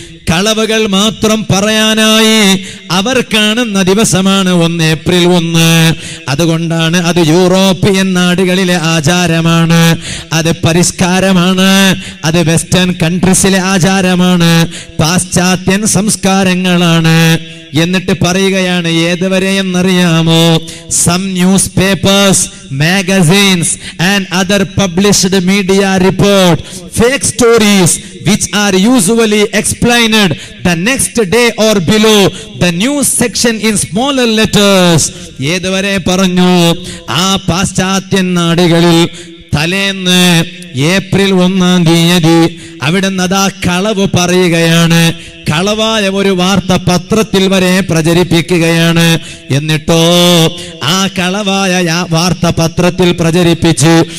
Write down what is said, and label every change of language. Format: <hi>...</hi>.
<ml>കളവുകൾ മാത്രം പറയാനായി അവർ കാണുന്ന ദിവസമാണ് April 1st. അതുകൊണ്ടാണ് അത് യൂറോപ്യൻ നാടുകളിലെ ആചാരമാണ്, അത് പരിഷ്കാരമാണ്, അത് വെസ്റ്റേൺ കൺട്രീസിലെ ആചാരമാണ്, പാശ്ചാത്യൻ സംസ്കാരങ്ങളാണ് എന്നിട്ട് പറയുകയാണ്. ഏതുവരെ എന്നറിയാമോ?</ml> <en>Some newspapers, magazines and other published media report fake stories which are usually explained the next day or below the news section in smaller letters.</en> <ml>ഏതുവരെ പറഞ്ഞു? ആ പാശ്ചാത്യ നാടുകളിൽ തലേന്ന് April 1st അവിടെ നിന്നതാ കളവ് പറയുകയാണ്. കളവായ ഒരു വാർത്ത പത്രത്തിൽ വരെ പ്രചരിപ്പിക്കുകയാണ്. എന്നിട്ടോ ആ കളവായ വാർത്ത പത്രത്തിൽ പ്രചരിപ്പിച്ചു.</ml>